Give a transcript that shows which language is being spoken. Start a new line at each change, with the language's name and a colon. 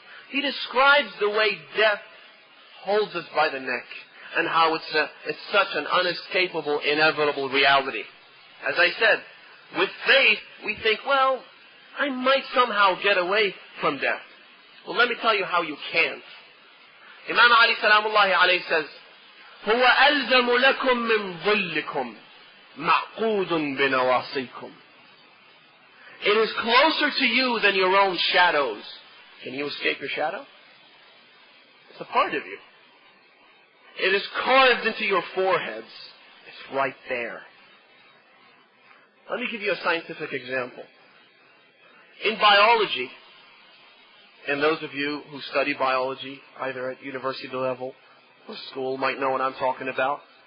English: He describes the way death holds us by the neck and how it's such an unescapable, inevitable reality. As I said, with faith, we think, well, I might somehow get away from death. Well, let me tell you how you can't.
Arabic: Imam Ali salamullahi alayhi
English: says,
Arabic: هُوَ أَلْزَمُ لَكُمْ مِنْ ظُلِّكُمْ مَعْقُودٌ بِنَوَاصِيكُمْ.
English: It is closer to you than your own shadows. Can you escape your shadow? It's a part of you. It is carved into your foreheads. It's right there. Let me give you a scientific example. In biology, and those of you who study biology, either at university level or school, might know what I'm talking about.